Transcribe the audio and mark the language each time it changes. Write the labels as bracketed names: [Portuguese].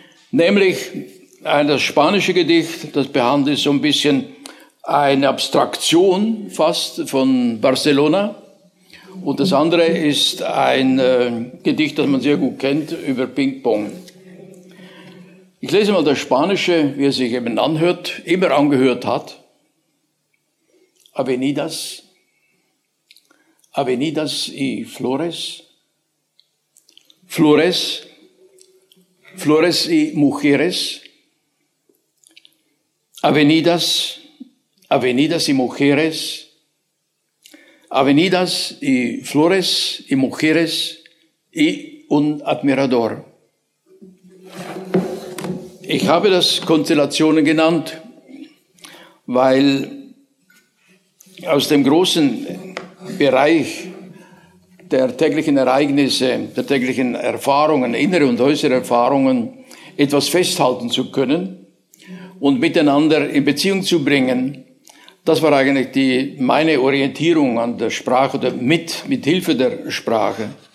[German] Nämlich das spanische Gedicht, das behandelt so ein bisschen eine Abstraktion fast von Barcelona. Und das andere ist ein Gedicht, das man sehr gut kennt, über Ping-Pong. Ich lese mal das Spanische, wie er sich eben anhört, immer angehört hat. [Spanish] Avenidas, Avenidas y Flores, Flores, Flores y Mujeres, Avenidas, Avenidas y Mujeres, Avenidas y Flores y Mujeres y un Admirador. [German] Ich habe das Konstellationen genannt, weil aus dem großen Bereich der täglichen Ereignisse, der täglichen Erfahrungen, innere und äußere Erfahrungen, etwas festhalten zu können und miteinander in Beziehung zu bringen, das war eigentlich meine Orientierung an der Sprache oder mit Hilfe der Sprache.